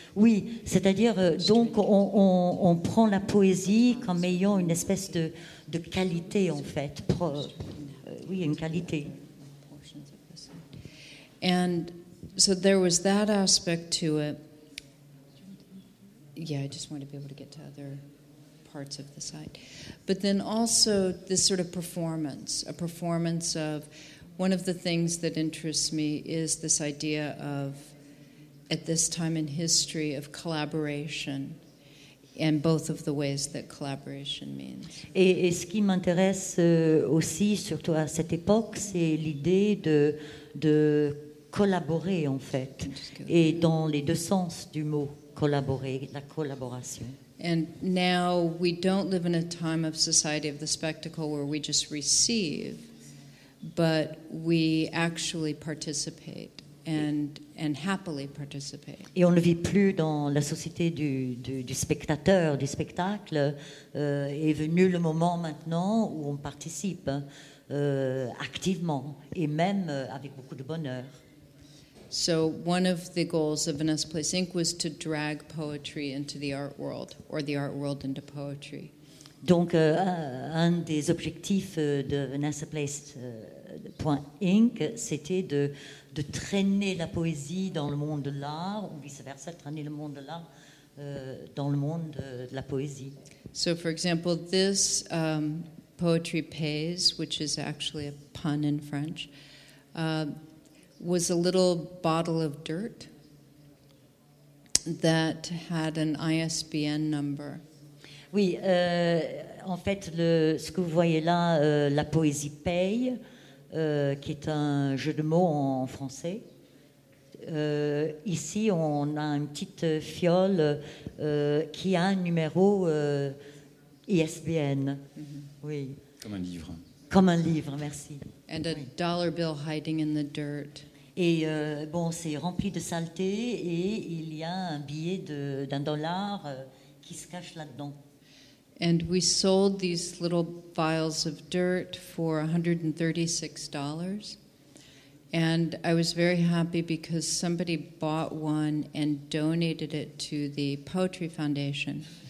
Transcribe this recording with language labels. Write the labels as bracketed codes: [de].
[fr] Oui, c'est-à-dire, donc, on prend la poésie comme ayant une espèce de qualité, en fait. Oui, une qualité. [en] And so there was that aspect to it. Yeah, I just want to be able to get to other parts of the site. But then also this sort of performance, a performance of... One of the things that interests me is this idea of at this time in history of collaboration and both of the ways that collaboration means. [fr] Et ce qui m'intéresse aussi, surtout à cette époque, c'est l'idée de collaborer, en fait, et dans les deux sens du mot collaborer, la collaboration. [en] And now we don't live in a time of society of the spectacle where we just receive, but we actually participate. And happily participate. [fr] Et on ne vit plus dans la société du spectateur, du spectacle. Est venu le moment maintenant où on participe activement et même avec beaucoup de bonheur. [en] So one of the goals of Venice Place Inc. was to drag poetry into the art world, or the art world into poetry. [fr] Donc un des objectifs de Venice Place Inc. c'était de traîner la poésie dans le monde de l'art, ou vice-versa, traîner le monde de l'art dans le monde de la poésie. [en] So, for example, this poetry pays, which is actually a pun in French, was a little bottle of dirt that had an ISBN number. [fr] Oui, en fait, ce que vous voyez là, la poésie paye, qui est un jeu de mots en français. Ici, on a une petite fiole qui a un numéro ISBN. Mm-hmm. Oui. Comme un livre. Comme un livre, merci. [en] And a dollar bill hiding in the dirt. [fr] Et bon, c'est rempli de saleté et il y a un billet d'un dollar qui se cache là-dedans. [en] And we sold these little vials of dirt for $136. And I was very happy because somebody bought one and donated it to the Poetry Foundation.